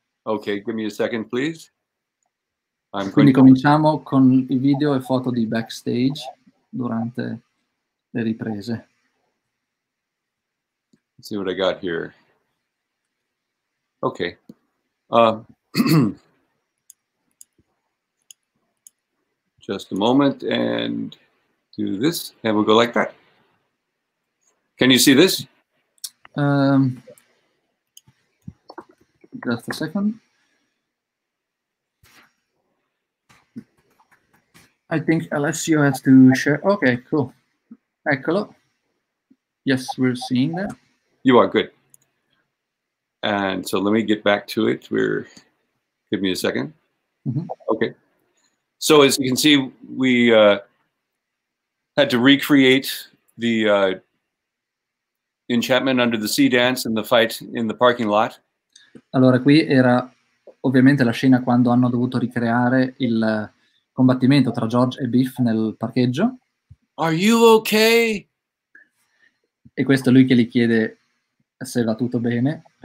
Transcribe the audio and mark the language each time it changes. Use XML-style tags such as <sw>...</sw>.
<en>Okay, give me a second, please.</en> <it>Quindi cominciamo con i video e foto di backstage durante le riprese.</it> <en>Let's see what I got here. Okay. just a moment and do this and we'll go like that. Can you see this? Just a second. I think Alessio has to share. Okay, cool.</en> <it>Eccolo.</it> <en>Yes, we're seeing that. You are good. And so let me get back to it. Give me a second. Mm-hmm. Okay. So as you can see, we had to recreate the enchantment under the sea dance and the fight in the parking lot.</en> <it>Allora, qui era ovviamente la scena quando hanno dovuto ricreare il combattimento tra George e Biff nel parcheggio.</it> <en>Are you okay?</en> <it>E questo è lui che gli chiede se va tutto bene.</it>